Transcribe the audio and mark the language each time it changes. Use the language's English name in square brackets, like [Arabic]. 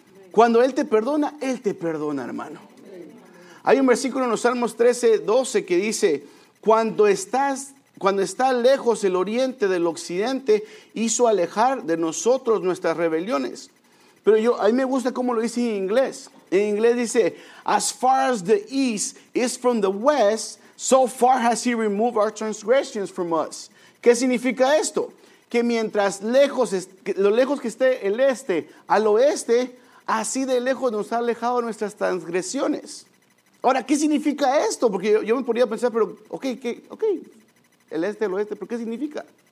[Spanish] Cuando Él te perdona, hermano. Hay un versículo en los Salmos 13:12 que dice, cuando está lejos el oriente del occidente, hizo alejar de nosotros nuestras rebeliones. Pero a mí me gusta cómo lo dice en inglés. En inglés dice, [English] as far as the east is from the west, so far has he removed our transgressions from us. [Spanish] ¿Qué significa esto? Que mientras lo lejos que esté el este al oeste, así de lejos nos ha alejado nuestras transgresiones. Ahora, ¿qué significa esto? Porque yo me podría pensar, pero el este, el oeste, ¿pero qué significa?